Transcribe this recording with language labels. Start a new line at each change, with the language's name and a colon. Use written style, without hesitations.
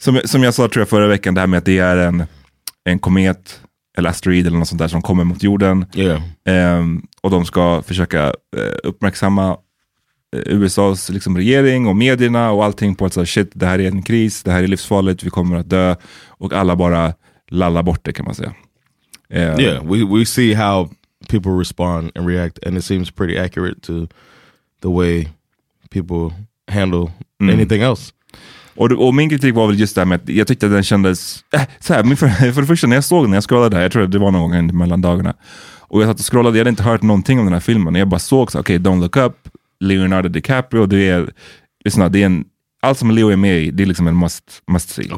Swedish: Som jag sa, tror jag, förra veckan, det här med att det är en komet eller asteroid eller något sånt där som kommer mot jorden.
English: Yeah.
Swedish: Och de ska försöka uppmärksamma USAs liksom regering och medierna och allting på att så här, shit, det här är en kris, det här är livsfarligt, vi kommer att dö, och alla bara lallar bort det, kan man säga.
English: Yeah, we see how people respond and react, and it seems pretty accurate to the way people handle anything else.
Swedish: Och min kritik var väl just det här med att jag tyckte att den kändes så här, för det första när jag såg den, när jag scrollade där, jag tror att det var någon gång mellan dagarna, och jag satt och scrollade, jag hade inte hört någonting om den här filmen, jag bara såg så, okej, Don't Look Up, Leonardo DiCaprio, det är, lyssna, det är en, allt som Leo är med i, det är liksom en must see.